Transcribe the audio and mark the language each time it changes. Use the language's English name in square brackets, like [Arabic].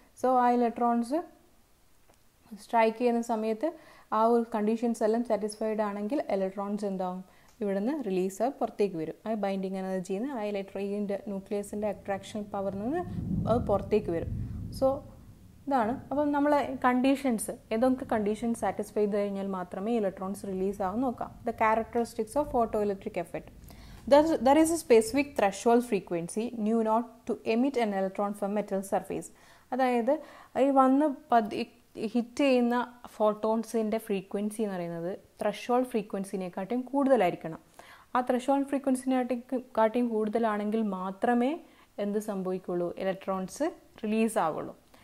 [Malayalam] So ആ electrons strike ചെയ്യുന്ന സമയത്ത് ആ ഒരു കണ്ടീഷൻസ് എല്ലാം സാറ്റിസ്ഫൈഡ് ആണെങ്കിൽ ഇലക്ട്രോൺസ് എന്താവും, ഇവിടെ നിന്ന് റിലീസ് ആയി പുറത്തേക്ക് വരും. ആ ബൈൻഡിങ് എനർജിയിൽ നിന്ന് ആ ഇലക്ട്രോയിൻ്റെ ന്യൂക്ലിയസിൻ്റെ അട്രാക്ഷൻ പവറിൽ നിന്ന് അത് പുറത്തേക്ക് വരും. സോ ഇതാണ്. അപ്പം നമ്മൾ കണ്ടീഷൻസ് ഏതൊക്കെ കണ്ടീഷൻസ് സാറ്റിസ്ഫൈ ചെയ്ത് കഴിഞ്ഞാൽ മാത്രമേ ഇലക്ട്രോൺസ് റിലീസ് ആവും നോക്കാം. [English] The characteristics of photo electric effect. There is a specific threshold frequency nu naught to emit an electron from metal surface. [Malayalam] അതായത് ഈ വന്ന് ഹിറ്റ് ചെയ്യുന്ന ഫോട്ടോൺസിൻ്റെ ഫ്രീക്വൻസി എന്ന് പറയുന്നത് ത്രഷോൾഡ് ഫ്രീക്വൻസിനെക്കാട്ടിയും കൂടുതലായിരിക്കണം. ആ ത്രഷോൾഡ് ഫ്രീക്വൻസിനെക്കാട്ടിയും കൂടുതലാണെങ്കിൽ മാത്രമേ എന്ത് സംഭവിക്കുള്ളൂ, ഇലക്ട്രോൺസ് റിലീസ് ആവുള്ളൂ.